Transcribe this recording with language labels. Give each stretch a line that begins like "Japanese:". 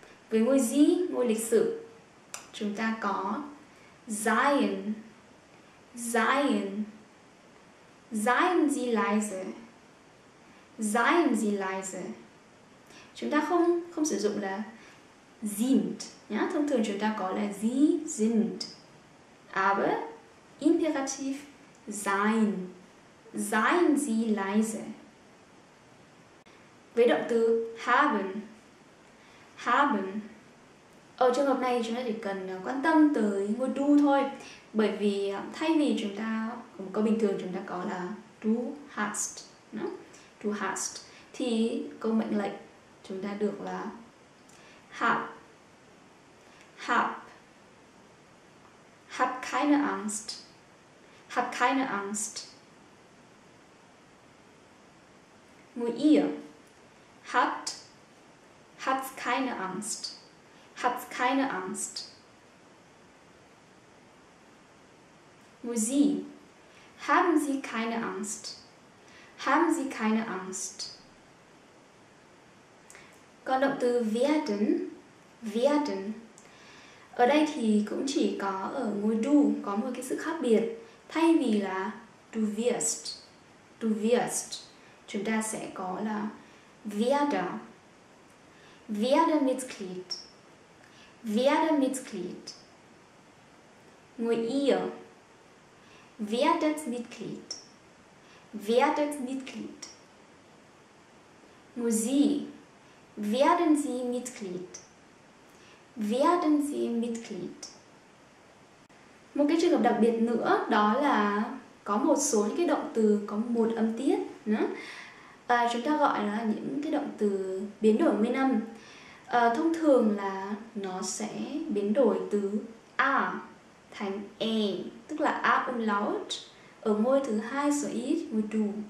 Vietnamese: Với ngôi gì, ngôi lịch sử, chúng ta có
German: seien, seien, seien Sie leise,
Vietnamese: seien Sie leise. Chúng ta không sử dụng là sind, nhá. Thông thường chúng ta có là
German: Sie sind, aber imperativ sein, seien Sie leise.
Vietnamese: Với động từ haben, haben, ở trường hợp này chúng ta chỉ cần quan tâm tới ngôi du thôi, bởi vì thay vì chúng ta có bình thường chúng ta có là
German: du hast,
Vietnamese: no?
German: Du hast,
Vietnamese: thì câu mệnh lệnh chúng ta được là
German: hab, hab, hab keine Angst, hab keine Angst. Nur ihr habt, habt keine Angst, habt keine Angst. Nur sie haben sie keine Angst, haben sie keine Angst.
Vietnamese: Còn động từ werden, werden, ở đây thì cũng chỉ có ở ngôi du có một cái sự khác biệt. Thay vì là
German: du wirst,
Vietnamese: chúng ta sẽ có là
German: werde, werde Mitglied, werde Mitglied.
Vietnamese: Nur ihr, werdet Mitglied, werdet Mitglied. Nur sie, werden Sie Mitglied, werden Sie Mitglied. Một cái trường hợp đặc biệt nữa đó là có một số những cái động từ có một âm tiết nữa, và chúng ta gọi là những cái động từ biến đổi nguyên âm. Thông thường là nó sẽ biến đổi từ A thành E, tức là A umlaut ở ngôi thứ hai số ít, ngôi du.